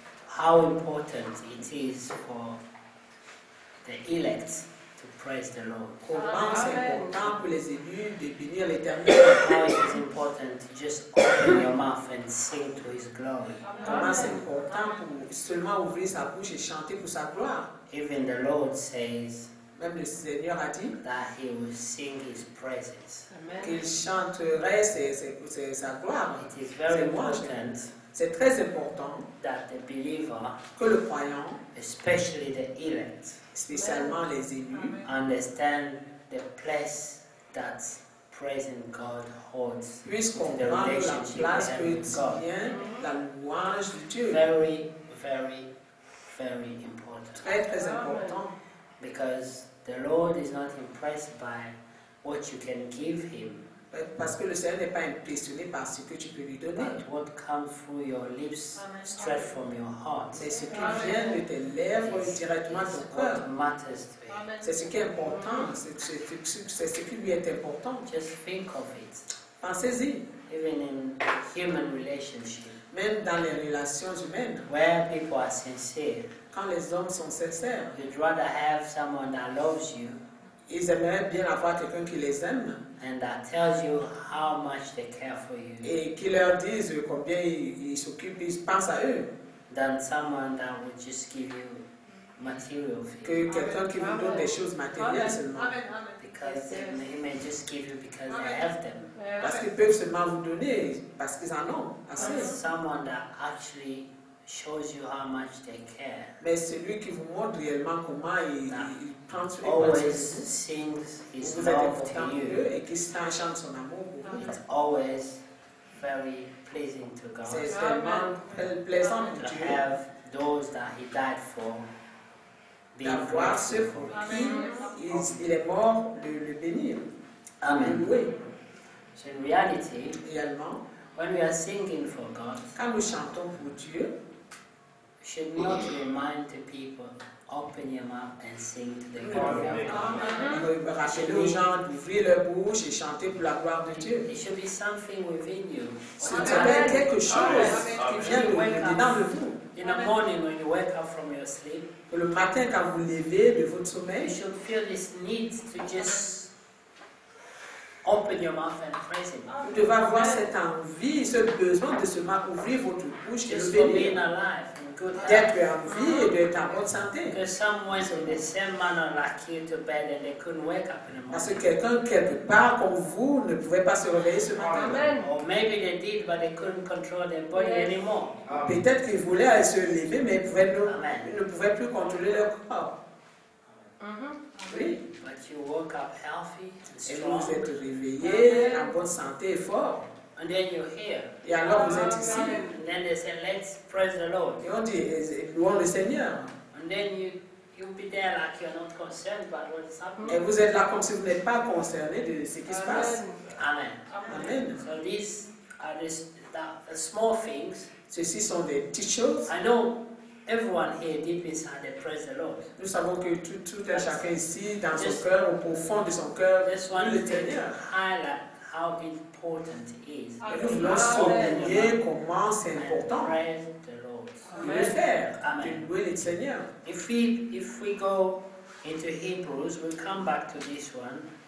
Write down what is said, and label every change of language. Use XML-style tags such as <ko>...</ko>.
<en>How important it is for the elect to praise the Lord.</en> <fr>Comment c'est important pour les élus de bénir l'Éternel.</fr> <en>How it is important to just open your mouth and sing to His glory.</en> <fr>Comment c'est important pour seulement ouvrir sa bouche et chanter pour sa gloire.</fr> <en>Even the Lord says.</en> <fr>Même le Seigneur a dit.</fr> <en>That He will sing His praises.</en> <fr>Qu'il chanterait sa gloire.</fr> <en>It is very important.</en> <fr>C'est très important</fr> <en>that the believer,</en> <fr>que le croyant,</fr> <en>especially the elect,</en> <fr>spécialement les élus,</fr> <en>understand the place that praising God holds in the relationship with God.</en> <fr>La louange de Dieu.</fr> <en>Very, very, very important.</en> <fr>Très, très important.</fr> <en>Because the Lord is not impressed by what you can give Him.</en> <fr>Parce que le Seigneur n'est pas impressionné par ce que tu peux lui donner.</fr> <en>But what comes through your lips, straight from your heart.</en> <fr>C'est ce qui vient de tes lèvres directement de ton cœur.</fr> <en>Matters to</en> <fr>him. C'est ce qui est important. C'est ce qui lui est important.</fr> <en>Just think of it.</en> <fr>Pensez-y.</fr> <en>Even in human relationship.</en> <fr>Même dans les relations humaines.</fr> <en>Where people are sincere.</en> <fr>Quand les hommes sont sincères.</fr> <en>You'd rather have someone that loves you.</en> <fr>Ils aimeraient bien avoir quelqu'un qui les aime.</fr> <en>And that tells you how much they care for you.</en> <fr>Et qui leur disent combien ils s'occupent, ils pensent à eux.</fr> <en>Than someone that would just give you material.</en> <fr>Que quelqu'un qui vous donne des choses matérielles seulement.</fr> <en>Because they may just give you because they have them.</en> <fr>Parce qu'ils peuvent seulement vous donner parce qu'ils en ont.</fr> <en>Someone that actually shows you how much they care.</en> <fr>Mais celui qui vous montre réellement comment il prend sur les</fr> <en>matières. Always sings his love to you.</en> <fr>Et qui chante son amour pour vous.</fr> <en>It's always very pleasing to God.</en> <fr>C'est vraiment plaisant</fr> <en>to have those that He died for.</en> <fr>D'avoir ce pour qui il est mort, le bénir.</fr> <en>Amen.</en> <fr>Oui.</fr> <en>So in reality,</en> <fr>réellement,</fr> <en>when we are singing for God,</en> <fr>quand nous chantons pour Dieu,</fr> <en>we should not remind the people, open your mouth and sing to the glory of God. Amen. Amen.</en> <fr>Rappeler aux gens d'ouvrir leur bouche et chanter pour la gloire de Dieu.</fr> <en>It should be something within you.</en> <fr>Ce devrait être quelque chose qui vient de dedans de vous.</fr> <en>In the morning when you wake up from your sleep,</en> <fr>pour le matin quand vous levez de votre sommeil,</fr> <en>you should feel this need to just open your mouth and praise Him.</en> <fr>Vous devez avoir cette envie, ce besoin de seulement ouvrir votre bouche</fr> <en>just</en> <fr>et le bénir.</fr> <en>Just being alive,</en> <fr>d'être en vie et d'être en bonne santé.</fr> <en>Because some ones in the same manner like you to bed and they couldn't wake up in the morning.</en> <fr>Parce que quelqu'un quelque part comme vous ne pouvait pas se réveiller ce matin.</fr> <en>Amen. Or maybe they did but they couldn't control their body anymore.</en> <fr>Peut-être qu'ils voulaient se lever mais ils ne pouvaient plus contrôler leur corps. Mm-hmm. Oui.</fr> <en>But you woke up healthy and</en> <fr>strong. Et vous êtes réveillé en bonne santé et fort.</fr> <en>And then you're here.</en> <fr>Et alors vous êtes ici.</fr> <en>And then they say, let's praise the Lord.</en> <fr>Et on dit, louons le Seigneur.</fr> <en>And then you'll be there like you're not concerned about what is happening.</en> <fr>Et vous êtes là comme si vous n'êtes pas concerné de ce qui se passe.</fr> <en>Amen. Amen. So these are the small things.</en> <fr>Ceci sont des petites choses.</fr> <en>I know everyone here deep inside they praise the Lord.</en> <fr>Nous savons que tout un chacun ici, dans son cœur, au profond de son cœur, le Seigneur.</fr> <en>How important is.</en> <fr>Et nous voulons souligner comment c'est important de le faire, de louer le Seigneur.</fr> <en>If we go into Hebrews, we'll come back to this one.</en>